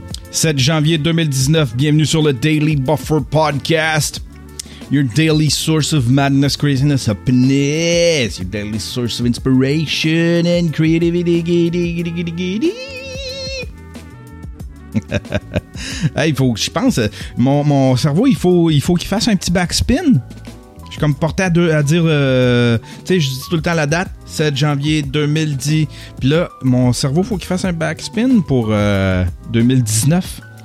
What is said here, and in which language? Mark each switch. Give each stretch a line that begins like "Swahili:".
French: 7 janvier 2019, bienvenue sur le Daily Buffer Podcast.
English: Your daily source of madness, craziness, happiness. Your daily source of inspiration and creativity.
French: Hey, il faut que je pense. Mon cerveau, il faut qu'il fasse un petit backspin. Je suis comme porté à dire. Tu sais, je dis tout le temps la date. 7 janvier 2010. Puis là, mon cerveau, faut qu'il fasse un backspin pour 2019.